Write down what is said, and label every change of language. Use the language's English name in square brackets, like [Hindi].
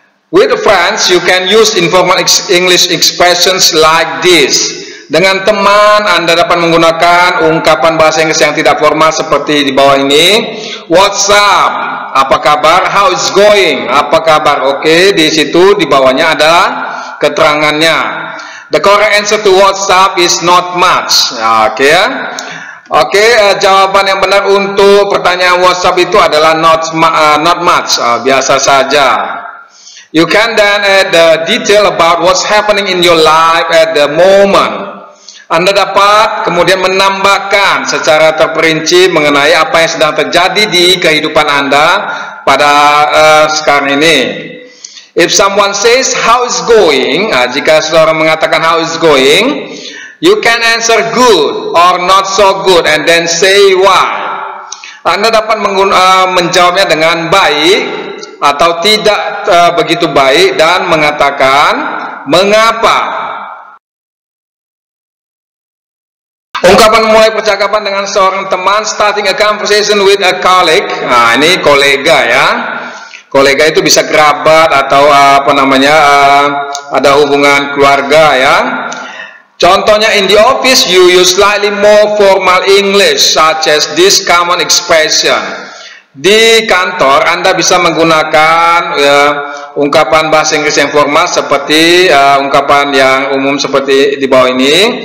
[English] With friends, you can use informal English expressions like this. [Indonesian] Dengan teman, Anda dapat menggunakan ungkapan bahasa Inggris yang tidak formal seperti di bawah ini. [English] What's up? [Indonesian] Apa kabar? [English] How is going? [Indonesian] Apa kabar? Oke, di situ di bawahnya ada keterangannya. [English] The correct answer to what's up is not much. Oke, ya. [Indonesian] Oke, jawaban yang benar untuk pertanyaan WhatsApp itu adalah [English] not much, [Indonesian] biasa saja. [English] You can then add the detail about what's happening in your life at the moment. [Indonesian] Anda dapat kemudian menambahkan secara terperinci mengenai apa yang sedang terjadi di kehidupan Anda pada sekarang ini. [English] If someone says how is going, [Indonesian] jika seseorang mengatakan [English] how is going, you can answer good or not so good and then say why. [Indonesian] Anda dapat menjawabnya dengan baik atau tidak begitu baik dan mengatakan mengapa. Ungkapan mulai percakapan dengan seorang teman, [English] starting a conversation with a colleague. [Indonesian] Nah, ini kolega ya. Kolega itu bisa kerabat atau ada hubungan keluarga ya. [English] Contohnya, in the office you use slightly more formal English such as this common expression. [Indonesian] Di kantor Anda bisa menggunakan ungkapan bahasa Inggris yang formal seperti ungkapan yang umum seperti di bawah ini.